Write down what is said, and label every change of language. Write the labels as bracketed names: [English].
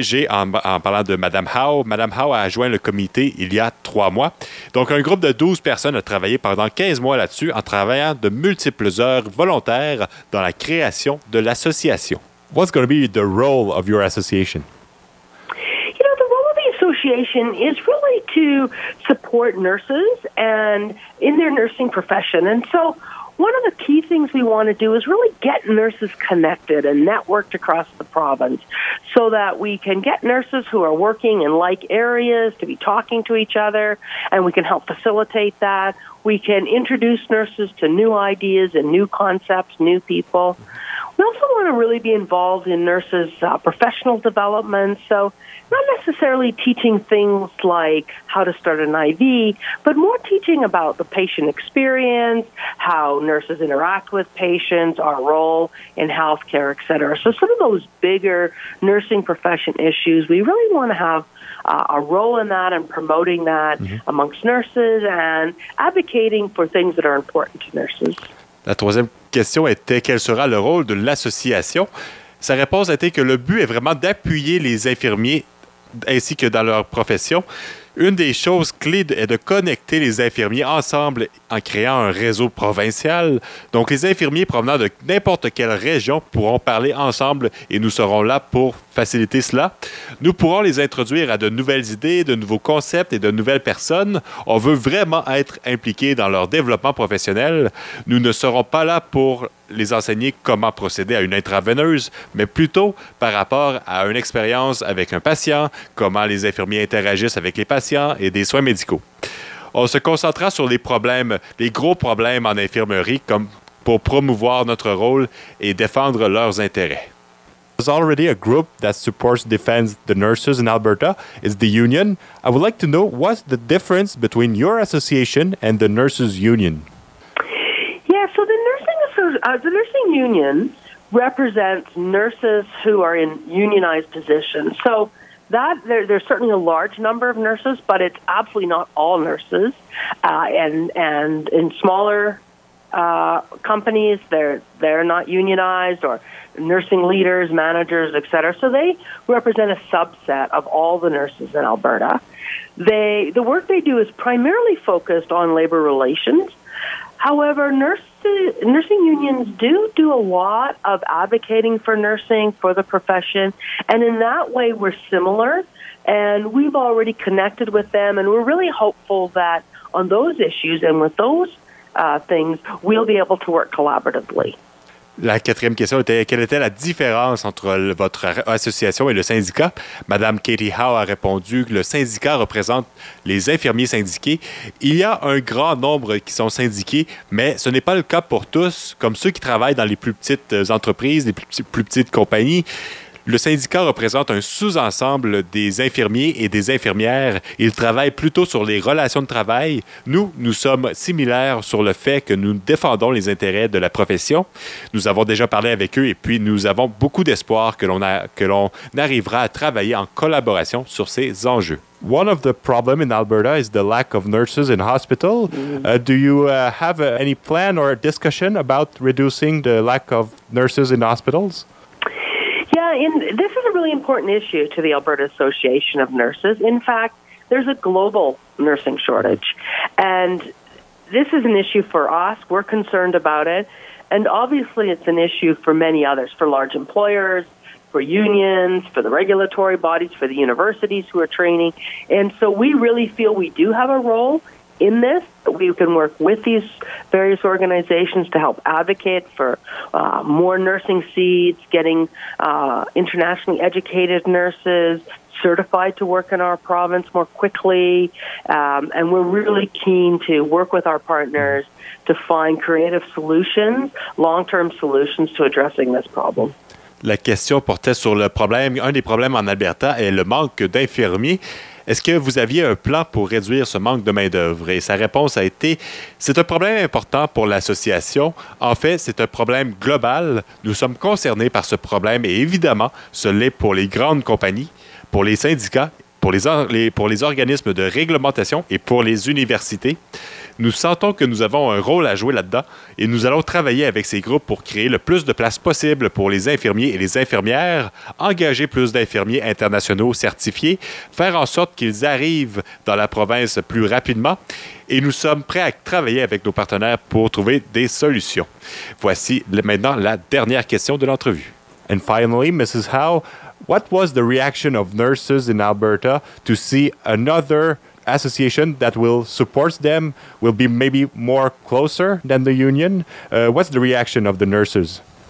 [French] En parlant de Mme Howe a joint le comité il y a 3 mois. Donc, un groupe de 12 personnes a travaillé pendant 15 mois là-dessus en travaillant de multiples heures volontaires dans la création de l'association. [English] What's going to be the role of your association? You know, the role of the association is really to support nurses and in their nursing profession. And so one of the key things we want to do is really get nurses connected and networked across the province so that we can get nurses who are working in like areas to be talking to each other, and we can help facilitate that. We can introduce nurses to new ideas and new concepts, new people. We also want to really be involved in nurses' professional development, so not necessarily teaching things like how to start an IV, but more teaching about the patient experience, how nurses interact with patients, our role in healthcare, et cetera. So some of those bigger nursing profession issues, we really want to have a role in that and promoting that amongst nurses and advocating for things that are important to nurses. [French] La troisième question était quel sera le rôle de l'association. Sa réponse a été que le but est vraiment d'appuyer les infirmiers ainsi que dans leur profession. Une des choses clés est de connecter les infirmiers ensemble en créant un réseau provincial. Donc, les infirmiers provenant de n'importe quelle région pourront parler ensemble et nous serons là pour faciliter cela. Nous pourrons les introduire à de nouvelles idées, de nouveaux concepts et de nouvelles personnes. On veut vraiment être impliqués dans leur développement professionnel. Nous ne serons pas là pour les enseigner comment procéder à une intraveineuse, mais plutôt par rapport à une expérience avec un patient, comment les infirmiers interagissent avec les patients et des soins médicaux. On se concentrera sur les problèmes, les gros problèmes en infirmerie, comme pour promouvoir notre rôle et défendre leurs intérêts. [English] There's already a group that supports and defends the nurses in Alberta. It's the union. I would like to know what's the difference between your association and the nurses union. Yeah, so the nursing union represents nurses who are in unionized positions. So that there's certainly a large number of nurses, but it's absolutely not all nurses. And in smaller companies. They're not unionized, or nursing leaders, managers, et cetera. So they represent a subset of all the nurses in Alberta. The work they do is primarily focused on labor relations. However, nursing unions do a lot of advocating for nursing, for the profession, and in that way we're similar, and we've already connected with them, and we're really hopeful that on those issues and with those things, we'll be able to work collaboratively. [French] La quatrième question était, quelle était la différence entre votre association et le syndicat? Madame Katie Howe a répondu que le syndicat représente les infirmiers syndiqués. Il y a un grand nombre qui sont syndiqués, mais ce n'est pas le cas pour tous, comme ceux qui travaillent dans les plus petites entreprises, les plus petites compagnies. Le syndicat représente un sous-ensemble des infirmiers et des infirmières. Ils travaillent plutôt sur les relations de travail. Nous, nous sommes similaires sur le fait que nous défendons les intérêts de la profession. Nous avons déjà parlé avec eux et puis nous avons beaucoup d'espoir que l'on arrivera à travailler en collaboration sur ces enjeux. [English] One of the problems in Alberta is the lack of nurses in hospital. Do you have any plan or discussion about reducing the lack of nurses in hospitals? And this is a really important issue to the Alberta Association of Nurses. In fact, there's a global nursing shortage. And this is an issue for us. We're concerned about it. And obviously, it's an issue for many others, for large employers, for unions, for the regulatory bodies, for the universities who are training. And so we really feel we do have a role in this. We can work with these various organizations to help advocate for more nursing seats, getting internationally educated nurses certified to work in our province more quickly. And we're really keen to work with our partners to find creative solutions, long-term solutions to addressing this problem. [French] La question portait sur le problème. Un des problèmes en Alberta est le manque d'infirmiers. Est-ce que vous aviez un plan pour réduire ce manque de main-d'œuvre? Et sa réponse a été, c'est un problème important pour l'association. En fait, c'est un problème global. Nous sommes concernés par ce problème et évidemment, ce l'est pour les grandes compagnies, pour les syndicats, pour les organismes de réglementation et pour les universités. Nous sentons que nous avons un rôle à jouer là-dedans et nous allons travailler avec ces groupes pour créer le plus de places possible pour les infirmiers et les infirmières, engager plus d'infirmiers internationaux certifiés, faire en sorte qu'ils arrivent dans la province plus rapidement et nous sommes prêts à travailler avec nos partenaires pour trouver des solutions. Voici maintenant la dernière question de l'entrevue. [English] And finally, Mrs. Howe, what was the reaction of nurses in Alberta to see another association that will support them, will be maybe more closer than the union? What's the reaction of the nurses?